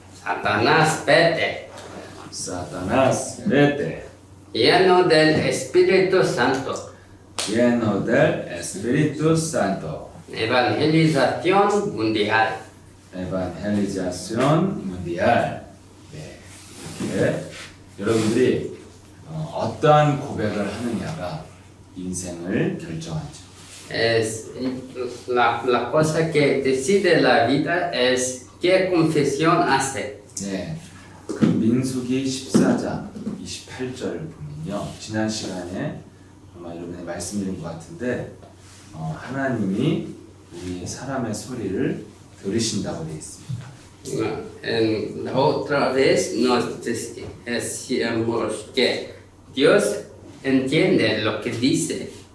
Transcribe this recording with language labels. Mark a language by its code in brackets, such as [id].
[es] Satanás, vete. Satanás, vete. Lleno del Espíritu Santo. Lleno del Espíritu Santo. Evangelización mundial. Evangelización mundial. [ko] 네, 이렇게 여러분들이 어떠한 고백을 하느냐가 인생을 결정하죠. [es] Es la cosa que decide la vida es qué confesión hace. [ko] 네, 그 민수기 14장 28절을 보면요. 지난 시간에 아마 여러분이 말씀드린 것 같은데, 하나님이 우리 사람의 소리를 들으신다고 되어 있습니다. [es] En la otra vez nos decíamos que Dios entiende lo que dice.